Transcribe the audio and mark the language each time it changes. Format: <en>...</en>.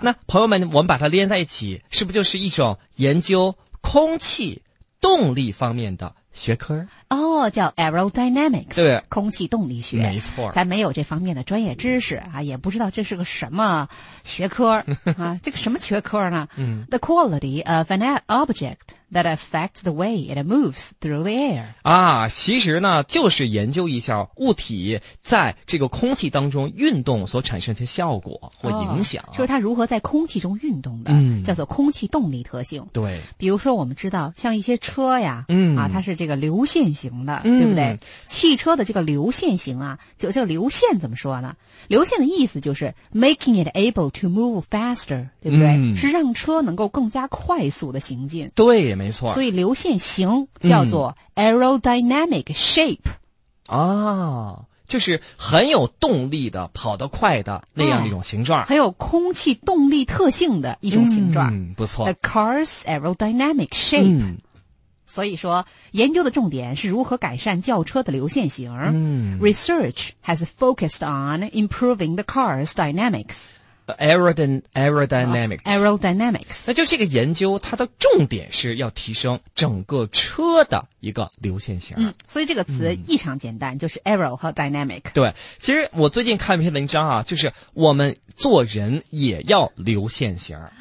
<zh>那朋友们，我们把它连在一起，是不是就是一种研究空气动力方面的学科？哦，叫 aerodynamics，对，空气动力学，没错。咱没有这方面的专业知识啊，也不知道这是个什么学科啊，这个什么学科呢？嗯</zh> <en>，the quality of an object that affects the way it moves through the air。</en> <zh>啊，其实呢，就是研究一下物体在这个空气当中运动所产生的效果或影响，哦、就是它如何在空气中运动的、嗯，叫做空气动力特性。对，比如说我们知道，像一些车呀，嗯，啊，它是这个流线。线型的，对不对、嗯？汽车的这个流线型啊，就这个流线怎么说呢？流线的意思就是</zh> <en>making it able to move faster，</en> <zh>对不对、嗯？是让车能够更加快速的行进。对，没错。所以流线型叫做 aerodynamic shape。哦，就是很有动力的，跑得快的那样的一种形状、哦，很有空气动力特性的一种形状。嗯，不错。</zh> <en>The car's aerodynamic shape、嗯。</en> <zh>所以说研究的重点是如何改善轿车的流线型、嗯、</zh> <en>Research has focused on improving the car's dynamics aerodynamics、 oh, aerodynamics</en> <zh>那就是这个研究它的重点是要提升整个车的一个流线型、嗯、所以这个词异常简单、嗯、就是 aero 和 dynamic 对其实我最近看一篇文章啊，就是我们做人也要流线型、</zh>